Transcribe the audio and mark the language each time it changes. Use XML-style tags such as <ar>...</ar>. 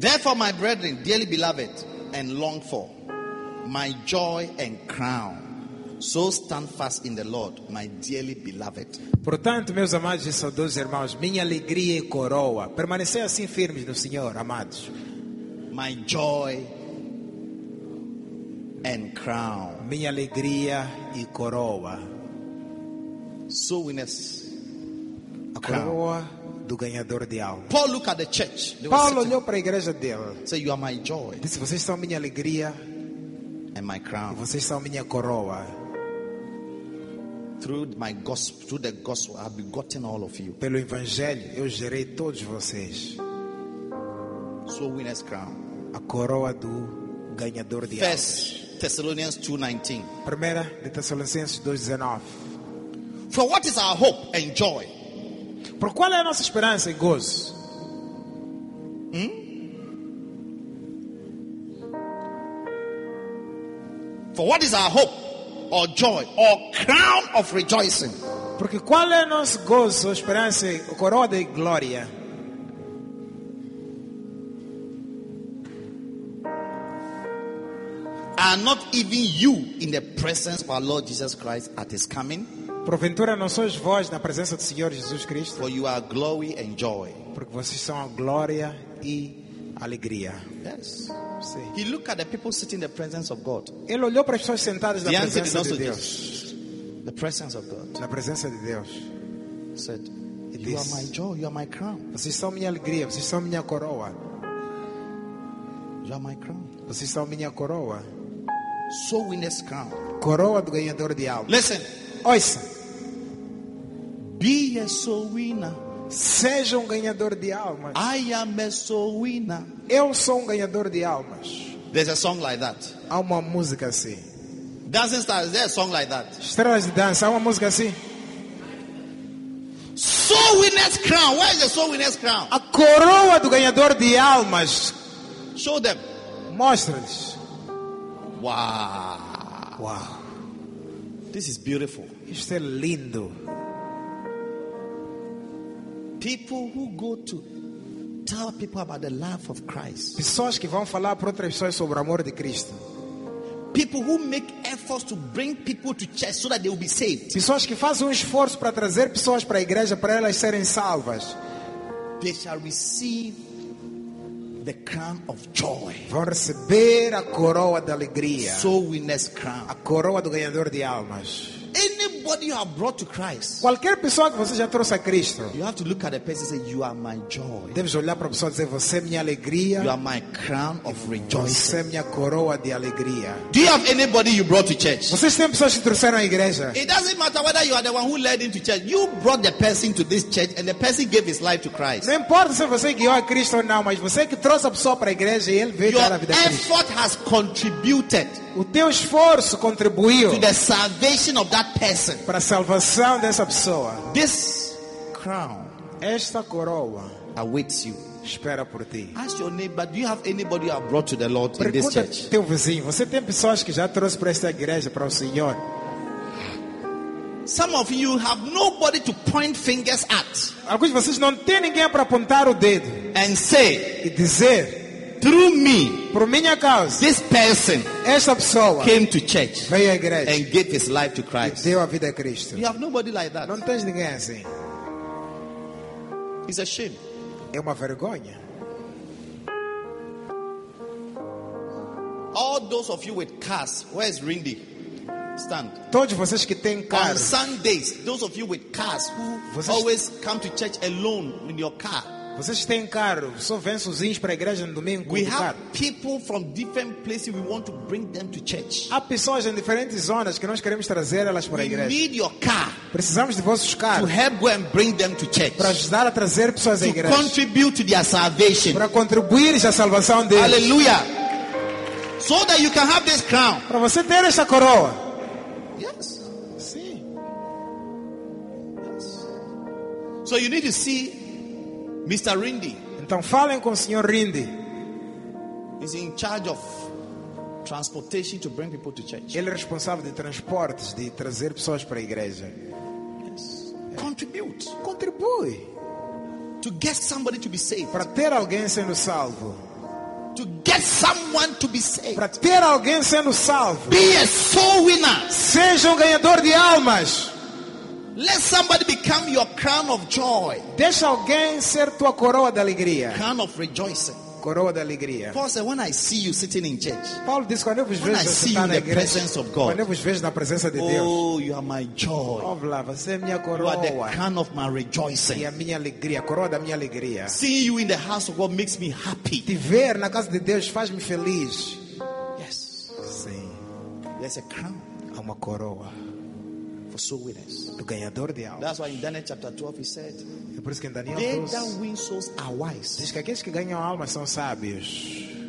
<en>Therefore, my brethren, dearly beloved, and longed for, my joy and crown, so stand fast in the Lord, my dearly beloved.</en> <pt>Portanto, meus amados e saudosos irmãos, minha alegria e coroa, permanecei assim firmes no Senhor, amados.</pt> <en>My joy and crown.</en> <pt>Minha alegria e coroa.</pt> <en>So winners.</en> <pt>A coroa do ganhador de almas.</pt> <en>Paul looked at the church.</en> <pt>Paulo olhou para a igreja dele.</pt> <en>Say, you are my joy.</en> <pt>Disse, vocês são minha alegria.</pt> <en>And my crown.</en> <pt>E vocês são minha coroa.</pt> <en>Through my gospel, through the gospel, I've begotten all of you.</en> <pt>Pelo evangelho, eu gerei todos vocês.</pt> <en>So winners crown.</en> <pt>A coroa do ganhador de almas.</pt> <en>First Thessalonians 2:19.</en> <pt>Primeira de Tessalonicenses 2:19.</pt> <en>For what is our hope and joy?</en> <pt>Por qual é a nossa esperança e gozo?</pt> <en>For what is our hope or joy or crown of rejoicing?</en> <pt>Porque qual é nosso gozo, esperança e coroa de glória?</pt> <en>Are not even you in the presence of our Lord Jesus Christ at his coming?</en> <pt>Porventura não sois vós na presença do Senhor Jesus Cristo?</pt> <en>For you are glory and joy.</en> <pt>Porque vocês são a glória e alegria.</pt> <en>Yes.</en> <pt>Sim.</pt> <en>He looked at the people sitting in the presence of God.</en> <pt>Ele olhou para as pessoas sentadas na presença de Deus. Deus.</pt> <en>The presence of God.</en> <pt>Na presença de Deus.</pt> <en>Said, you are my joy, you are my crown.</en> <pt>Vocês são minha alegria, vocês são minha coroa.</pt> <en>You are my crown.</en> <pt>Vocês são minha coroa.</pt> <en>So winner's crown.</en> <pt>Coroa do ganhador de almas.</pt> <en>Listen.</en> <pt>Ouça.</pt> <en>Be a soul winner.</en> <pt>Seja ganhador de almas.</pt> <en>I am a soul winner.</en> <pt>Eu sou ganhador de almas.</pt> <en>There's a song like that.</en> <pt>Há uma música assim.</pt> <en>Dancing Stars, there's a song like that.</en> <pt>Estrelas de dança, há uma música assim.</pt> <en>Soul winner's crown. Where is the soul winner's crown?</en> <pt>A coroa do ganhador de almas.</pt> <en>Show them.</en> <pt>Mostra-lhes. Wow. Wow.</pt> <en>This is beautiful.</en> <pt>Isto é lindo.</pt> <en>People who go to tell people about the love of Christ.</en> <pt>Pessoas que vão falar para outras pessoas sobre o amor de Cristo.</pt> <en>People who make efforts to bring people to church so that they will be saved.</en> <pt>Pessoas que fazem esforço para trazer pessoas para a igreja para elas serem salvas.</pt> <en>They shall receive the crown of joy.</en> <pt>Vão receber a coroa da alegria.</pt> <en>Soul winner's crown.</en> <pt>A coroa do ganhador de almas.</pt> <en>Anybody you have brought to Christ.</en> <pt>Qualquer pessoa que você já trouxe a Cristo.</pt> <en>You have to look at the person and say, you are my joy.</en> <pt>Deve olhar para a pessoa e dizer, você é minha alegria.</pt> <en>You are my crown of rejoicing.</en> <pt>Você é minha coroa de alegria.</pt> <en>Do you have anybody you brought to church?</en> <pt>Vocês têm pessoas que trouxeram à igreja?</pt> <en>It doesn't matter whether you are the one who led into church. You brought the person to this church and the person gave his life to Christ.</en> <pt>Não importa se você guiou a Cristo ou não, mas você que trouxe a pessoa para a igreja e ele veio</pt> <en>your</en> <pt>dar a vida a Cristo.</pt> <en>Your effort has contributed.</en> <pt>O teu esforço contribuiu</pt> <en>to the salvation of that person.</en> <pt>Para a salvação dessa pessoa.</pt> <en>This crown,</en> <pt>esta coroa,</pt> <en>awaits you.</en> <pt>Espera por ti.</pt> <en>Ask your neighbor, do you have anybody you have brought to the Lord in this church?</en> <pt>Teu vizinho, você tem pessoas que já trouxe para esta igreja para o Senhor?</pt> <en>Some of you have nobody to point fingers at.</en> <pt>Alguns de vocês não têm ninguém para apontar o dedo.</pt> <en>And say,</en> <pt>e dizer,</pt> <en>through me,</en> <pt>por minha causa,</pt> <en>this person,</en> <pt>essa pessoa,</pt> <en>came to church,</en> <pt>veio à igreja,</pt> <en>and gave his life to Christ.</en> <pt>E deu a vida a Cristo.</pt> <en>You have nobody like that.</en> <pt>Não tens ninguém assim.</pt> <en>It's a shame.</en> <pt>É uma vergonha.</pt> <en>All those of you with cars, where is Rindy? Stand.</en> <pt>Todos vocês que têm carro.</pt> <en>On Sundays, those of you with cars who</en> <pt>vocês</pt> <en>always come to church alone in your car.</en> <pt>Vocês têm carro, só vêm sozinhos para a igreja no domingo.</pt> <en>We have people from different places we want to bring them to church.</en> <pt>Há pessoas em diferentes zonas que nós queremos trazer elas para a igreja.</pt> <en>We need your car.</en> <pt>Precisamos de vossos carros.</pt> <en>To help go and bring them to church.</en> <pt>Para ajudar a trazer pessoas à igreja.</pt> <en>To contribute to their salvation.</en> <pt>Para contribuir à salvação deles.</pt> <en>Hallelujah. So that you can have this crown.</en> <pt>Para você ter essa coroa.</pt> <en>Yes. See. Yes. So you need to see Mr. Rindy.</en> <pt>Então falem com o Senhor Rindy.</pt> <en>He's in charge of transportation to bring people to church.</en> <pt>Ele é responsável de transportes, de trazer pessoas para a igreja.</pt> <en>Yes. Contribute.</en> <pt>Contribui.</pt> <en>To get somebody to be saved.</en> <pt>Para ter alguém sendo salvo.</pt> <en>To get someone to be saved.</en> <pt>Para ter alguém sendo salvo.</pt> <en>Be a soul winner.</en> <pt>Seja ganhador de almas.</pt> <en>Let somebody become your crown of joy.</en> <pt>Deixa alguém ser tua coroa de alegria.</pt> <en>Crown of rejoicing.</en> <pt>Coroa de alegria.</pt> <en>Paul said, "When I see you sitting in church."</en> <pt>Paulo disse, quando eu vos vejo sentado na presença de Deus. Quando eu vos vejo na presença de Deus.</pt> <en>Oh, you are my joy.</en> <pt>Oh,</pt> <en>love,</en> <pt>você é minha coroa.</pt> <en>You are the crown of my rejoicing.</en> <pt>E a minha alegria, coroa da minha alegria.</pt> <en>Seeing you in the house of God makes me happy.</en> <pt>Te ver na casa de Deus faz-me feliz.</pt> <en>Yes.</en> <pt>Sim.</pt> <en>There's a crown.</en> <pt>Há uma coroa.</pt> <en>For soul winners.</en> <pt>Do ganhador de almas.</pt> <en>That's why in Daniel chapter 12 he said.</en> <pt>É por isso que em Daniel</pt> <en>12, they that win souls are wise.</en> <pt>Diz que aqueles que ganham almas são sábios.</pt>